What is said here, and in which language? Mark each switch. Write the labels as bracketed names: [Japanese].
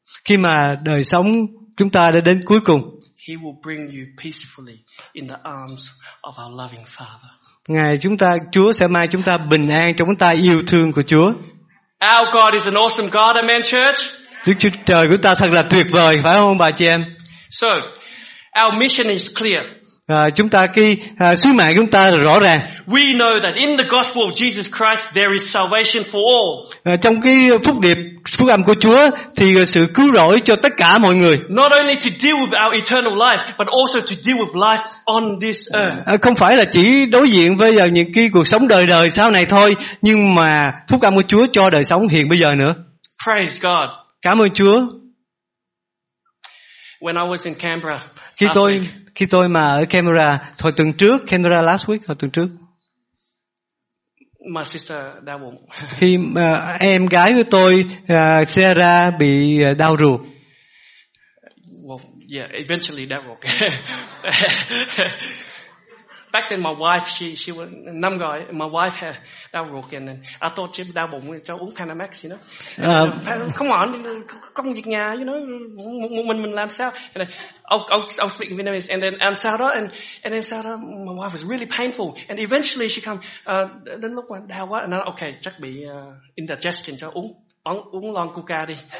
[Vietnamese] Khi mà đời sống chúng ta đã đến cuối cùng. [English] He will bring you peacefully in the arms of our loving Father. [Vietnamese] Ngài chúng ta, Chúa sẽ mang chúng ta bình an trong tay yêu thương của Chúa. [English] Our God is an awesome God, amen, church. [Vietnamese] Đức Chúa Trời của ta thật là tuyệt vời, phải không bà chị em? [English] So, our mission is clear. [Vietnamese] Chúng ta cái sứ mạng chúng ta là rõ ràng. [English] We know that in the gospel of Jesus Christ there is salvation for all. [Vietnamese] Trong cái phúc điệp, phúc âm của Chúa thì sự cứu rỗi cho tất cả mọi người. [English] Not only to deal with our eternal life, but also to deal with life on this earth. [Vietnamese] Không phải là chỉ đối diện với những cái cuộc sống đời đời sau này thôi, nhưng mà phúc âm của Chúa cho đời sống hiện bây giờ nữa. [English] Praise God. [Vietnamese] Cảm ơn Chúa. [English] When I was in Canberra, [Vietnamese] khi tôi mà ở Canberra hồi tuần trước, [English] Canberra last week, [Vietnamese] hồi tuần trước. [English] My sister [Vietnamese] đau bụng. Khi em gái của tôi Sarah bị đau ruột. [English] Well, yeah, eventually that will. Back then my wife, she was [Vietnamese] năm rồi, [English] my wife had [Vietnamese] đau ruột [English] and then I thought she [Vietnamese] đau bụng cho uống Panamax, [English] you know. Come on, [Vietnamese] công việc nhà, [English] you know, [Vietnamese] mình làm sao? [English] And I'll speak in Vietnamese and then I'm Sarah and then Sarah, my wife was really painful and eventually she come [Vietnamese] đến lúc mà đau quá [English] and I'm like, okay, [Vietnamese] chắc bị indigestion cho uống lon Coca đi.